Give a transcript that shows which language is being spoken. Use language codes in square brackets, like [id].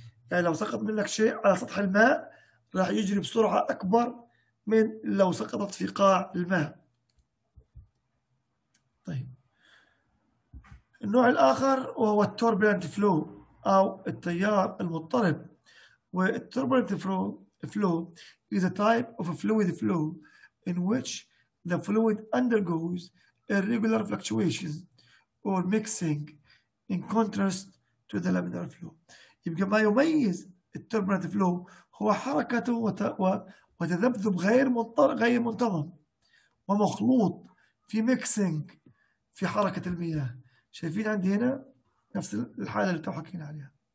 [ar] يعني لو سقط منك شيء على سطح الماء راح يجري بسرعة أكبر من لو سقطت في قاع الماء. طيب النوع الآخر وهو التوربولنت فلو أو التيار المضطرب. والتوربولنت فلو [en] is a type of a fluid flow in which the fluid undergoes irregular fluctuations or mixing in contrast to the laminar flow. [ar] يبقى ما يميز التوربولنت فلو هو حركته وتذبذب غير منتظم ومخلوط في ميكسينج في حركة المياه. شايفين عندي هنا نفس الحالة اللي تو حكينا عليها.